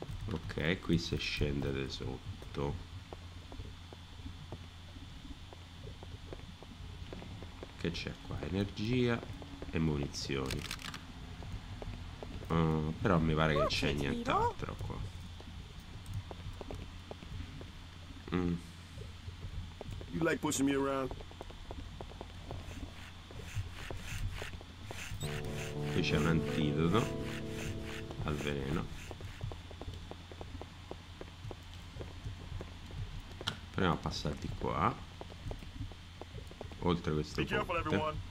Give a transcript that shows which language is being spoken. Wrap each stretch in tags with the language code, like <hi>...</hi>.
<it>Ok, qui si scende da sotto. Che c'è qua? Energia e munizioni. Però mi pare che c'è nient'altro qua.</it> <en>You like pushing me around?</en> <it>Qui c'è un antidoto al veleno. Proviamo a passare di qua. Oltre questo ponte.</it> <en>Be careful, everyone.</en>